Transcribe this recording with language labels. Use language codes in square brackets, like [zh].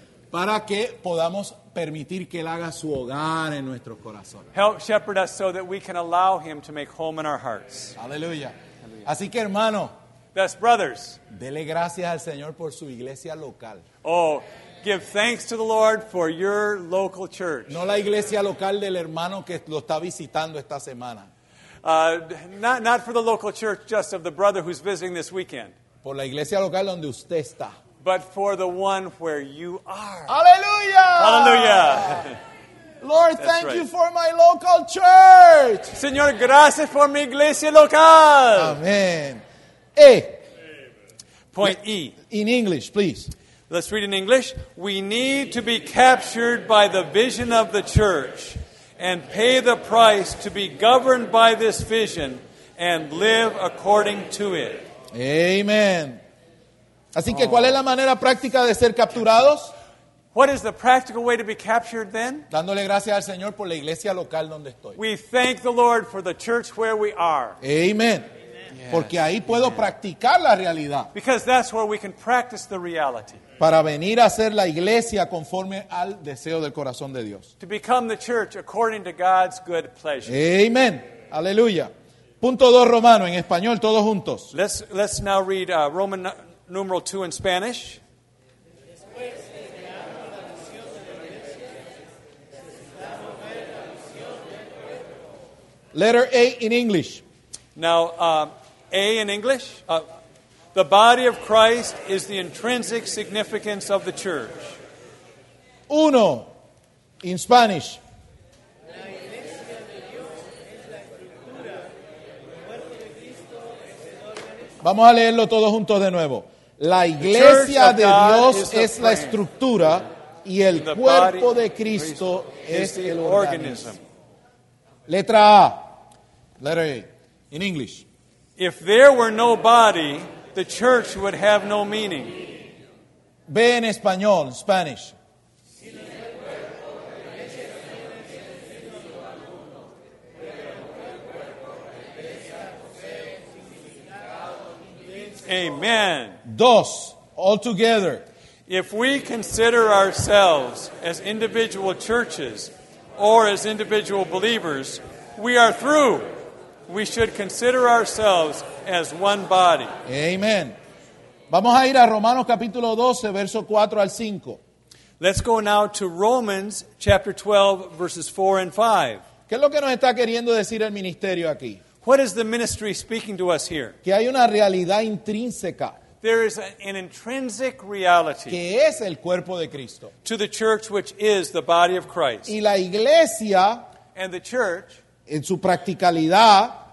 [es] para que podamos permitir que él haga su hogar en nuestros corazones. [en] Help shepherd us so that we can allow him to make home in our hearts. [es] Aleluya. Así que hermano, [en] thus, brothers, [es] dele gracias al Señor por su iglesia local. [en] Oh, give thanks to the Lord for your local church. [es] No la iglesia local del hermano que lo está visitando esta semana. [en] Not for the local church, just of the brother who's visiting this weekend. [es] Por la iglesia local donde usted está. [en] But for the one where you are. [es] Aleluya! Aleluya! [en] Lord, that's thank right. you for my local church. [es] Señor, gracias por mi iglesia local. [en] Amen. Point E. In English, please. Let's read in English. We need to be captured by the vision of the church and pay the price to be governed by this vision and live according to it. Amen. [es] Así que, ¿cuál es la manera práctica de ser capturados? [en] What is the practical way to be captured then? [es] Dándole gracias al Señor por la iglesia local donde estoy. [en] We thank the Lord for the church where we are. [es] Amen. Porque ahí puedo practicar la realidad. [en] Because that's where we can practice the reality. [es] Para venir a ser la iglesia conforme al deseo del corazón de Dios. [en] To become the church according to God's good pleasure. [es] Amen. Aleluya. Punto 2 romano en español todos juntos. [en] Let's now read Roman numeral 2 in Spanish. Letter A in English. Now, A in English. The body of Christ is the intrinsic significance of the church. Uno, in Spanish. [es] Vamos a leerlo todos juntos de nuevo. La iglesia de Dios es la estructura y el cuerpo de Cristo es el organismo. Letra A. [en] Letter A. In English. If there were no body, the church would have no meaning. [es] Ve en español, Spanish. Amen. [en] Dos, all together. If we consider ourselves as individual churches or as individual believers, we are through. We should consider ourselves as one body. [es] Amen. Vamos a ir a Romanos capítulo 12, verso 4 al 5. [en] Let's go now to Romans chapter 12, verses 4 and 5. [es] ¿Qué es lo que nos está queriendo decir el ministerio aquí? [en] What is the ministry speaking to us here? [es] Que hay una realidad intrínseca. [en] There is an intrinsic reality. [es] Que es el cuerpo de Cristo. [en] To the church which is the body of Christ. [es] Y la iglesia. [en] And the church. [es] En su practicalidad,